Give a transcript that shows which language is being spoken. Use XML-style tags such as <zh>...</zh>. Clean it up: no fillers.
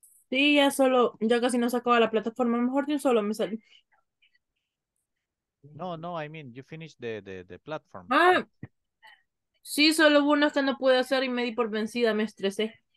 <es>Sí, ya solo, ya casi no sacaba la plataforma, mejor yo solo me salí.</es> <en>No, no, I mean, you finished the platform.</en> <es>Ah, sí, solo hubo unas que no pude hacer y me di por vencida, me estresé.</es>